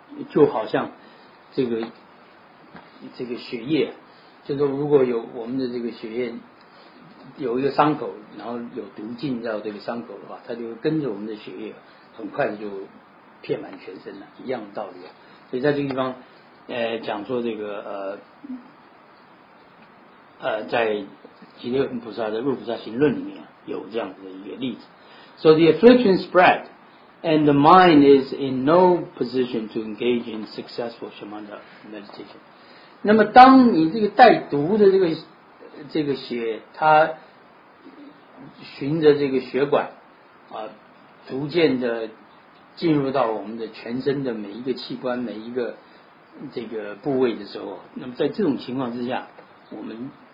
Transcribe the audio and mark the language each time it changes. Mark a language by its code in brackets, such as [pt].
[zh] 就好像这个血液，就是如果有我们的这个血液有一个伤口，然后有毒进到这个伤口的话，它就会跟着我们的血液很快就遍满全身了，一样的道理。所以在这个地方讲说这个在极乐菩萨的入菩萨行论里面有这样的一个例子。 [en] So the affliction spread, and the mind is in no position to engage in successful shamatha meditation. [zh] 那么当你这个带毒的这个血它循着这个血管逐渐的进入到我们的全身的每一个器官每一个这个部位的时候，那么在这种情况之下，我们